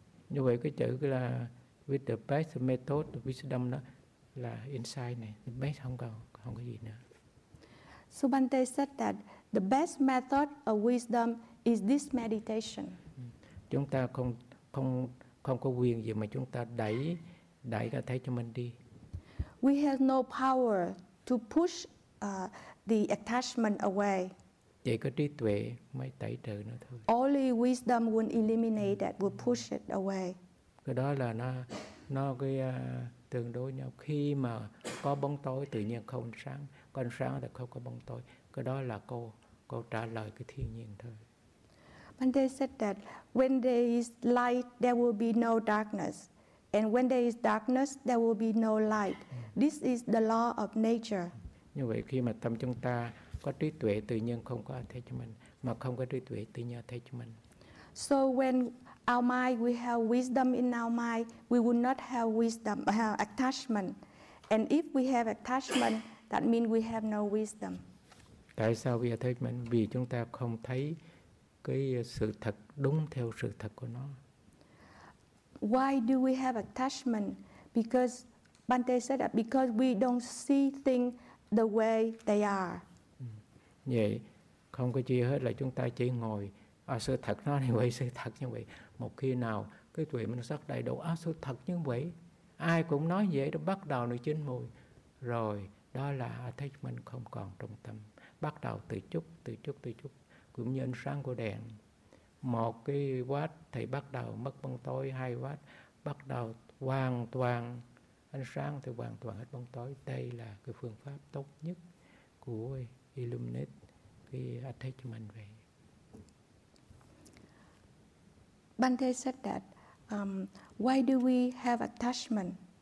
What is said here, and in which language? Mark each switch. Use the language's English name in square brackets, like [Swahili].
[Vietnamese] Như vậy cái chữ là [English] with the best method of wisdom [Vietnamese] đó là insight này, the best không có gì nữa. [English] So Bhante said that the best method of wisdom is this meditation. [Vietnamese] Chúng ta không có quyền gì mà chúng ta đẩy cái thấy cho mình đi. [English] We have no power to push the attachment away. [Vietnamese] Chỉ có trí tuệ mới tẩy trừ nó thôi. Only wisdom will eliminate that, will push it away. Cái đó là nó cái tương đối nhau. Khi mà có bóng tối tự nhiên không sáng, còn sáng thì không có bóng tối. Cái đó là câu trả lời cái thiên nhiên thôi. [English] Bhante said that when there is light, there will be no darkness. And when there is darkness, there will be no light. This is the law of nature. [Vietnamese] Như vậy khi mà tâm chúng ta có trí tuệ tự nhiên không có attachment, mà không có trí tuệ tự nhiên attachment. [English] So when our mind, we have wisdom in our mind, we would not have wisdom, attachment. And if we have attachment, that means we have no wisdom. [Vietnamese] Tại sao vì attachment? Vì chúng ta không thấy cái sự thật đúng theo sự thật của nó. [English] Why do we have attachment? Because Bhante said that because we don't see things the way they are. [Vietnamese] Vậy không có chi hết là chúng ta chỉ ngồi sự thật nó như vậy, sự thật như vậy. Một khi nào cái tuệ minh sắc đầy đủ sự thật như vậy, ai cũng nói vậy, nó bắt đầu nó chín mùi. Rồi đó là attachment không còn trong tâm. Bắt đầu từ chút. Cũng như ánh sáng của đèn. Một cái watt thì bắt đầu mất bóng tối, hai watt bắt đầu hoàn toàn ánh sáng thì hoàn toàn hết bóng tối. Đây là cái phương pháp tốt nhất của Illuminate cái attachment vậy. [English] Bhante said that, why do we have attachment?